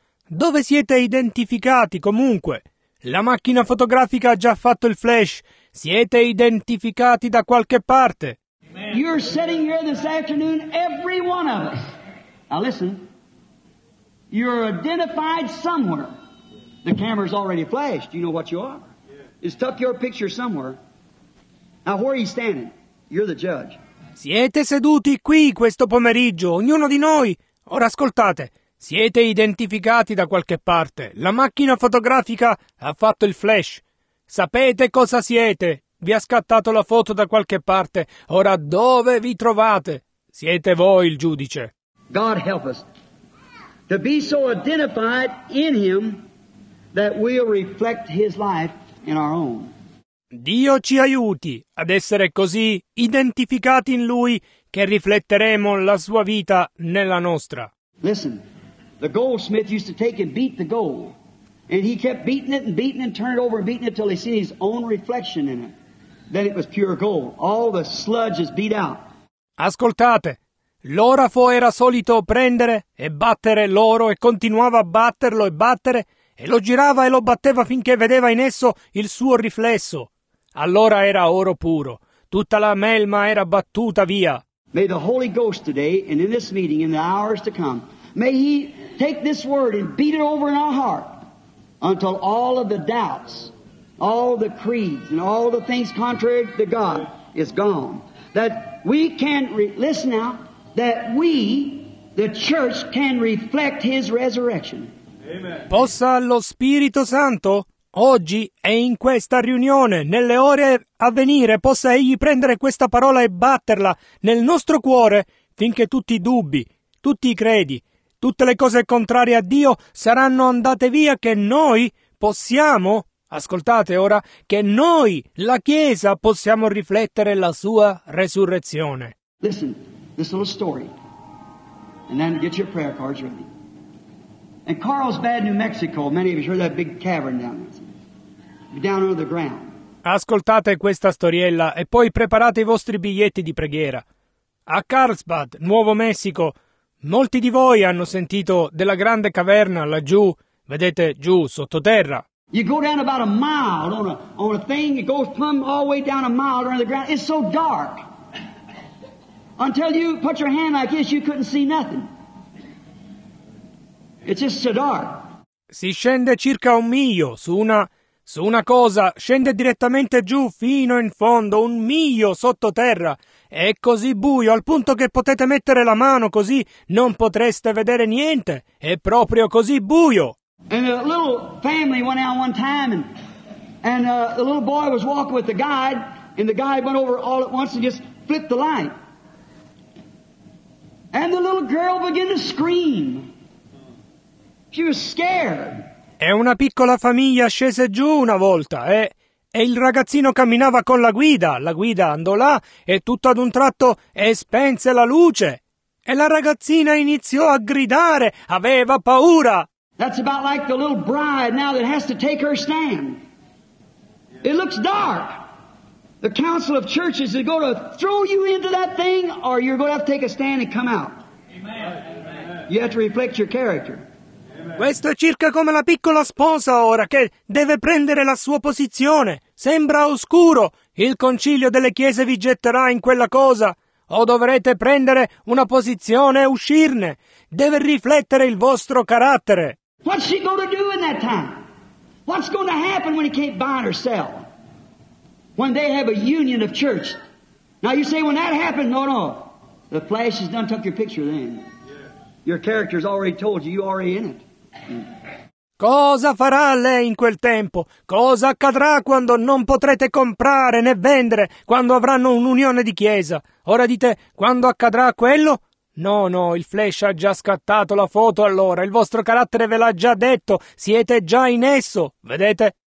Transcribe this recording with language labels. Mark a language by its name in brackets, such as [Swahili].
[Italian] Dove siete identificati comunque? La macchina fotografica ha già fatto il flash. Siete identificati da qualche parte. Amen. [English] You're sitting here this afternoon, every one of us. Now listen. You're identified somewhere. The camera's already flashed. You know what you are. It's tuck your picture somewhere. Now, where are you standing? You're the judge. [Italian] Siete seduti qui questo pomeriggio, ognuno di noi. Ora ascoltate. Siete identificati da qualche parte. La macchina fotografica ha fatto il flash. Sapete cosa siete. Vi ha scattato la foto da qualche parte. Ora dove vi trovate? Siete voi il giudice. [English] God help us to be so identified in him that we'll reflect his life in our own. [Italian] Dio ci aiuti ad essere così identificati in lui che rifletteremo la sua vita nella nostra. [English] Listen, the goldsmith used to take and beat the gold, and he kept beating it and beating it and turning it over and beating it till he seen his own reflection in it. Then it was pure gold. All the sludge is beat out. [Italian] Ascoltate. L'orafo era solito prendere e battere l'oro e continuava a batterlo e battere e lo girava e lo batteva finché vedeva in esso il suo riflesso. Allora era oro puro. Tutta la melma era battuta via. [English] May the Holy Ghost today and in this meeting in the hours to come, may he take this word and beat it over in our heart until all of the doubts, all the creeds and all the things contrary to God is gone. That we can, listen now, that we, the church, can reflect his resurrection. [Italian] Possa lo Spirito Santo, oggi e in questa riunione, nelle ore a venire, possa egli prendere questa parola e batterla nel nostro cuore finché tutti i dubbi, tutti i credi, tutte le cose contrarie a Dio saranno andate via, che noi possiamo, ascoltate ora, che noi, la Chiesa, possiamo riflettere la sua resurrezione. [English] Listen, this little story, and then get your prayer cards ready. In Carlsbad, New Mexico, many of you heard that big cavern down there, down under the ground. [Italian] ascoltate questa storiella e poi preparate i vostri biglietti di preghiera. A Carlsbad, Nuovo Messico, molti di voi hanno sentito della grande caverna laggiù, vedete, giù, sottoterra. [English] You go down about a mile on a thing, it goes plumb all the way down a mile under the ground. It's so dark. Until you put your hand like this, you couldn't see nothing. It's just so dark. [Italian] Si scende circa un miglio su una cosa, scende direttamente giù fino in fondo, un miglio sottoterra. È così buio, al punto che potete mettere la mano così, non potreste vedere niente. È proprio così buio. [English] And a little family went out one time, and the little boy was walking with the guide, and the guide went over all at once and just flipped the light. And the little girl began to scream. She was scared. [Italian] E una piccola famiglia scese giù una volta, e il ragazzino camminava con la guida. La guida andò là, e tutto ad un tratto spense la luce. E la ragazzina iniziò a gridare, aveva paura. [English] That's about like the little bride now that has to take her stand. It looks dark. The council of churches is going to throw you into that thing, or you're going to have to take a stand and come out. Amen. You have to reflect your character. [Italian] Questo è circa come la piccola sposa ora che deve prendere la sua posizione. Sembra oscuro. Il concilio delle chiese vi getterà in quella cosa. O dovrete prendere una posizione e uscirne. Deve riflettere il vostro carattere. [English] What's she going to do in that time? What's going to happen when he can't bind or sell? When they have a union of church. Now you say, when that happened, no. The flesh has done took your picture then. Your character's already told you, you're already in it. [Italian] Cosa farà lei in quel tempo? Cosa accadrà quando non potrete comprare né vendere, quando avranno un'unione di chiesa? Ora dite, quando accadrà quello? No, il flash ha già scattato la foto allora, il vostro carattere ve l'ha già detto, siete già in esso, vedete?